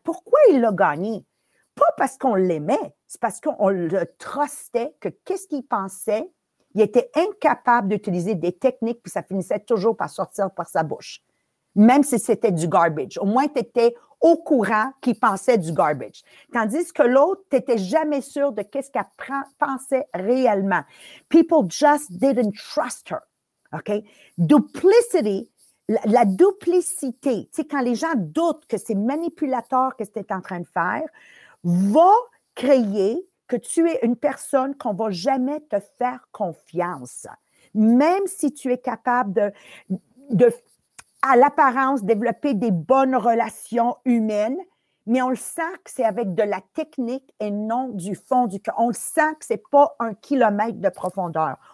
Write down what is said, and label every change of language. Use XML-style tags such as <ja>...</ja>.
<fr>Pourquoi il l'a gagné? Pas parce qu'on l'aimait, c'est parce qu'on le trustait que qu'est-ce qu'il pensait? Il était incapable d'utiliser des techniques puis ça finissait toujours par sortir par sa bouche. Même si c'était du garbage. Au moins, tu étais au courant qui pensait du garbage. Tandis que l'autre, t'étais jamais sûr de qu'est-ce qu'elle pensait réellement.</fr> <en>People just didn't trust her. OK?</en> <fr>Duplicity, la duplicité, tu sais, quand les gens doutent que c'est manipulateur que c'était en train de faire, va créer que tu es une personne qu'on va jamais te faire confiance. Même si tu es capable de à l'apparence, développer des bonnes relations humaines, mais on le sent que c'est avec de la technique et non du fond du cœur. On le sent que c'est pas un kilomètre de profondeur.</fr>